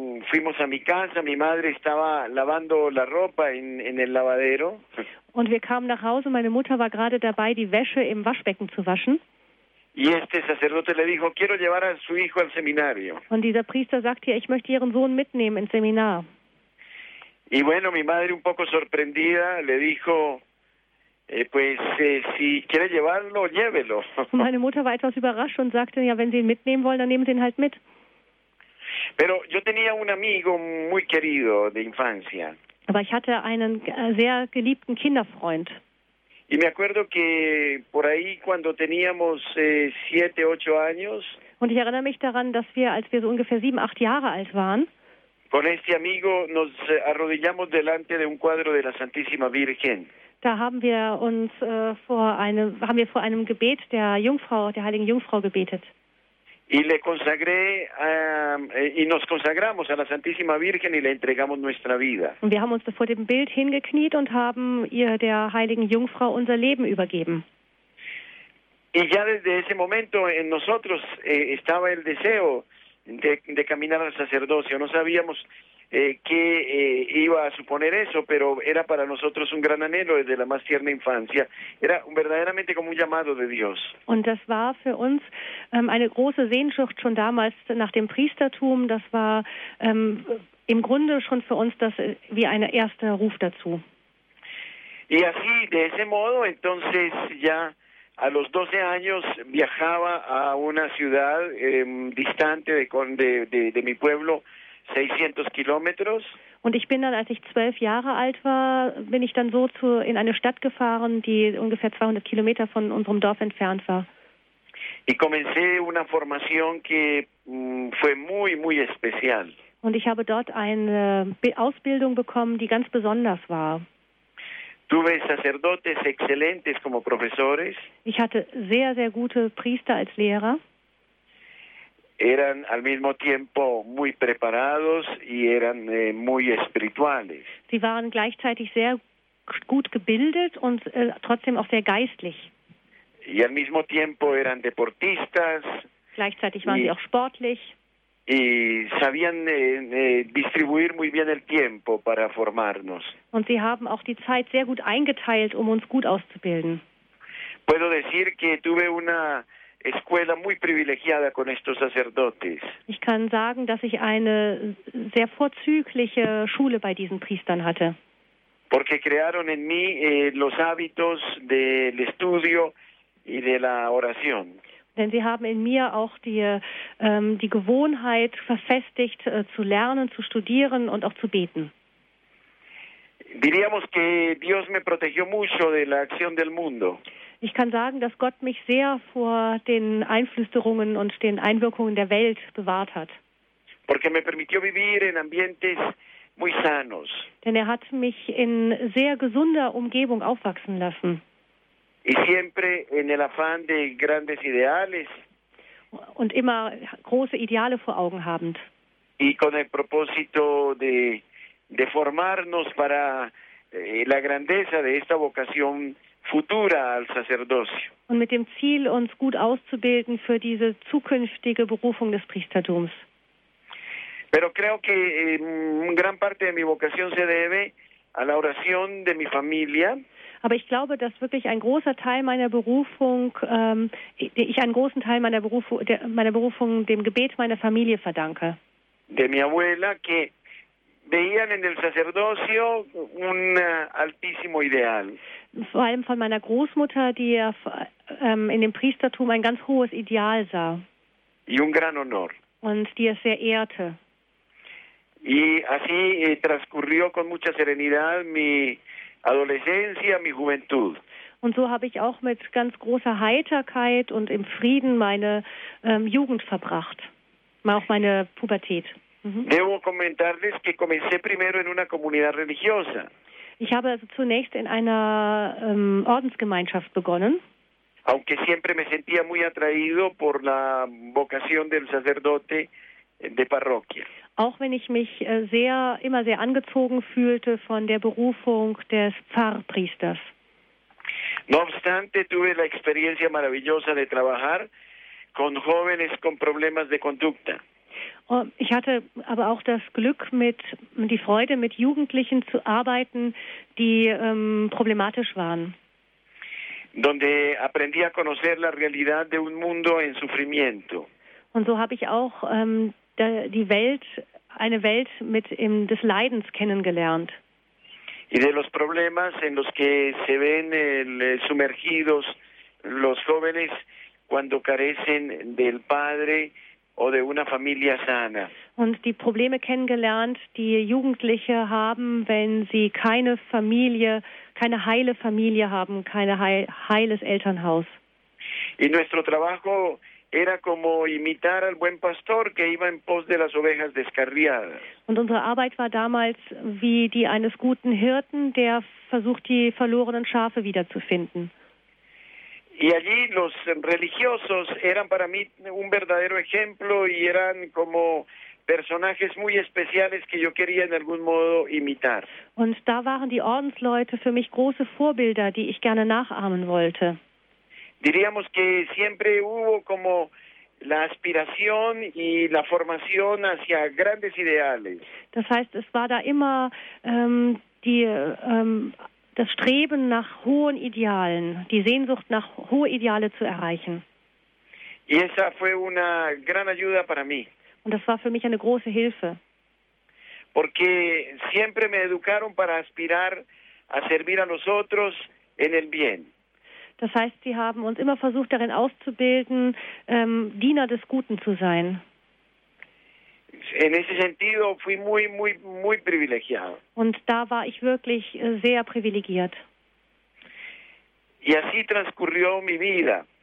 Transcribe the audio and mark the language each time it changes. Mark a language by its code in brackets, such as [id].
[es] Fuimos a mi casa, mi madre estaba lavando la ropa en el lavadero. [de] Und wir kamen nach Hause, meine Mutter war gerade dabei, die Wäsche im Waschbecken zu waschen. [es] Y este sacerdote le dijo, quiero llevar a su hijo al seminario. [de] Und dieser Priester sagte, ich möchte ihren Sohn mitnehmen ins Seminar. [es] Y bueno, mi madre un poco sorprendida le dijo, si quiere llevarlo, llévelo. [de] Und meine Mutter war etwas überrascht und sagte, ja, wenn Sie ihn mitnehmen wollen, dann nehmen Sie ihn halt mit. [es] Pero yo tenía un amigo muy querido de infancia. [de] Aber ich hatte einen sehr geliebten Kinderfreund. [es] Y me acuerdo que por ahí cuando teníamos 7, 8 años. [de] Und ich erinnere mich daran, dass wir, als wir so ungefähr 7, 8 Jahre alt waren, [es] con este amigo nos arrodillamos delante de un cuadro de la Santísima Virgen. [de] Da haben wir uns vor einem Gebet der Jungfrau, der Heiligen Jungfrau gebetet. [es] Y le consagré y nos consagramos a la Santísima Virgen y le entregamos nuestra vida. [de] Und wir haben uns vor dem Bild hingekniet und haben ihr der Heiligen Jungfrau unser Leben übergeben. [es] Y ya desde ese momento en nosotros estaba el deseo de caminar al sacerdocio. No sabíamos qué iba a suponer eso, pero era para nosotros un gran anhelo desde la más tierna infancia. Era verdaderamente como un llamado de Dios. [de] Und das war für uns eine große Sehnsucht schon damals nach dem Priestertum. Das war im Grunde schon für uns das wie ein erster Ruf dazu. [es] Y así, de ese modo, entonces ya a los 12 años viajaba a una ciudad distante de mi pueblo, 600 kilómetros. [de] Und ich bin dann, als ich 12 Jahre alt war, bin ich dann in eine Stadt gefahren, die ungefähr 200 Kilometer von unserem Dorf entfernt war. [es] Y comencé una formación que fue muy, muy especial. [de] Und ich habe dort eine Ausbildung bekommen, die ganz besonders war. [es] Tuve sacerdotes excelentes como profesores. [de] Ich hatte sehr, sehr gute Priester als Lehrer. [es] Eran al mismo tiempo muy preparados y eran muy espirituales. [de] Sie waren gleichzeitig sehr gut gebildet und trotzdem auch sehr geistlich. [es] Y al mismo tiempo eran deportistas. [de] Gleichzeitig waren sie auch sportlich. [es] Y sabían distribuir muy bien el tiempo para formarnos. [de] Und sie haben auch die Zeit sehr gut eingeteilt, um uns gut auszubilden. [es] Puedo decir que tuve una escuela muy privilegiada con estos sacerdotes. [de] Ich kann sagen, dass ich eine sehr vorzügliche Schule bei diesen Priestern hatte. [es] Porque crearon en mí los hábitos del estudio y de la oración. [de] Denn sie haben in mir auch die Gewohnheit verfestigt, zu lernen, zu studieren und auch zu beten. [es] Diríamos que Dios me protegió mucho de la acción del mundo. [de] Ich kann sagen, dass Gott mich sehr vor den Einflüsterungen und den Einwirkungen der Welt bewahrt hat. [es] Porque me permitió vivir en ambientes muy sanos. [de] Denn er hat mich in sehr gesunder Umgebung aufwachsen lassen. [es] Y siempre en el afán de grandes ideales. [de] Und immer große Ideale vor Augen habend. [es] Y con el propósito de formarnos para la grandeza de esta vocación futura al sacerdocio. [de] Und mit dem Ziel, uns gut auszubilden für diese zukünftige Berufung des Priestertums. [es] Pero creo que gran parte de mi vocación se debe a la oración de mi familia. [de] Aber ich glaube, dass wirklich ein großer Teil meiner Berufung, ich einen großen Teil meiner Berufung dem Gebet meiner Familie verdanke. [es] De mi abuela, que veían en el sacerdocio un altísimo ideal. [de] Vor allem von meiner Großmutter, die in dem Priestertum ein ganz hohes Ideal sah. [es] Y un gran honor. [de] Und die es sehr ehrte. [es] Y así transcurrió con mucha serenidad mi adolescencia, mi juventud. [de] Und so habe ich auch mit ganz großer Heiterkeit und im Frieden meine Jugend verbracht, auch meine Pubertät. [es] Debo comentarles que comencé primero en una comunidad religiosa. [de] Ich habe also zunächst in einer Ordensgemeinschaft begonnen. [es] Aunque siempre me sentía muy atraído por la vocación del sacerdote de parroquia. [de] Auch wenn ich mich immer sehr angezogen fühlte von der Berufung des Pfarrpriesters. [es] No obstante, tuve la experiencia maravillosa de trabajar con jóvenes con problemas de conducta. [de] Ich hatte aber auch das Glück, die Freude, mit Jugendlichen zu arbeiten, die problematisch waren. [es] Donde aprendí a conocer la realidad de un mundo en sufrimiento. [de] Und so habe ich auch die Welt, eine Welt mit des Leidens kennengelernt. [es] Y de los problemas en los que se ven sumergidos los jóvenes cuando carecen del padre o de una familia sana. [de] Und die Probleme kennengelernt, die Jugendliche haben, wenn sie keine Familie, keine heile Familie haben, keine heiles Elternhaus. [es] Y nuestro trabajo era como imitar al buen pastor que iba en pos de las ovejas descarriadas. [de] Und unsere Arbeit war damals wie die eines guten Hirten, der versucht, die verlorenen Schafe wiederzufinden. [es] Y allí los religiosos eran para mí un verdadero ejemplo y eran como personajes muy especiales que yo quería en algún modo imitar. [de] Und da waren die Ordensleute für mich große Vorbilder, die ich gerne nachahmen wollte. [es] Diríamos que siempre hubo como la aspiración y la formación hacia grandes ideales. [de] Das heißt, es war da immer das Streben nach hohen Idealen, die Sehnsucht nach hohe Ideale zu erreichen. [es] Y esa fue una gran ayuda para mí. [de] Und das war für mich eine große Hilfe. [es] Porque siempre me educaron para aspirar a servir a los otros en el bien. [de] Das heißt, sie haben uns immer versucht, darin auszubilden, Diener des Guten zu sein. [es] En ese sentido fui muy, muy, muy privilegiado. [de] Und da war ich wirklich sehr privilegiert. [es] Y así transcurrió mi vida.